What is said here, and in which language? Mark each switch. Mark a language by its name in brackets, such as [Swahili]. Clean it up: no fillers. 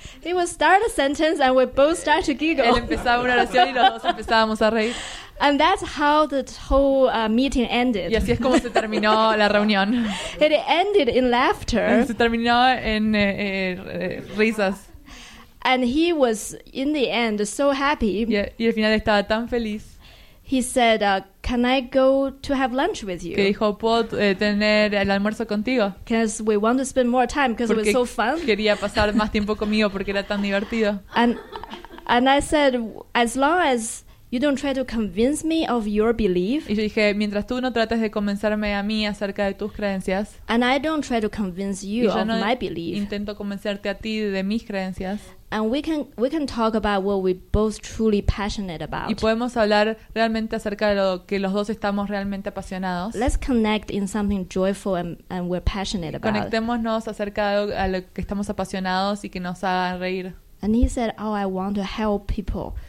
[English] He would start a sentence and we both start to giggle. [Spanish] Él empezaba una oración y los dos empezábamos a reír. [English] And that's how the whole meeting ended. [Spanish] Y así es como se terminó la reunión. [English] It ended in laughter. [Spanish] Se terminó en risas. [English] And he was in the end so happy. [Spanish] Y al final estaba tan feliz. [English] He said, "Can I go to have lunch with you?" [Spanish] Que dijo, ¿puedo tener el almuerzo contigo? [English] Because we want to spend more time because it was so fun. [Spanish] Quería pasar más tiempo conmigo porque era tan divertido. [English] And I said, "As long as you don't try to convince me of your belief." [Spanish] Y yo dije, mientras tú no trates de convencerme a mí acerca de tus creencias. [English] And I don't try to convince you [Spanish] y yo no [English] of my belief. [Spanish] Intento convencerte a ti de mis creencias. [English] And we can talk about what we both truly passionate about. [Spanish] Y podemos hablar realmente acerca de lo que los dos estamos realmente apasionados. [English] Let's connect in something joyful and we're passionate about. [Spanish] Conectémonos acerca de lo que estamos apasionados y que nos haga reír. [English] And he said, "Oh, I want to help people."